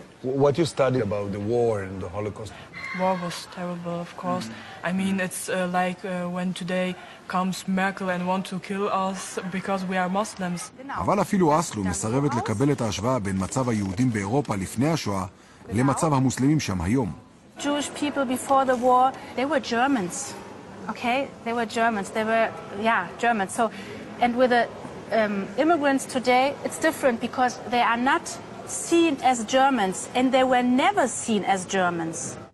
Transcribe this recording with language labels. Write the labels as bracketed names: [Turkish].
[English] What you study about the war and the Holocaust? War was terrible, of course. Mm. I mean, it's like when today comes Merkel and want to kill us because we are Muslims. [Hebrew] אבל אפילו אסלו מסרבת לקבל את ההשוואה בין מצב היהודים באירופה לפני השואה למצב המוסלמים שם היום. [English] Jewish people before the war, they were Germans. Okay? They were Germans. They were, yeah, Germans. So, and with the immigrants today, it's different because they are not seen as Germans and they were never seen as Germans.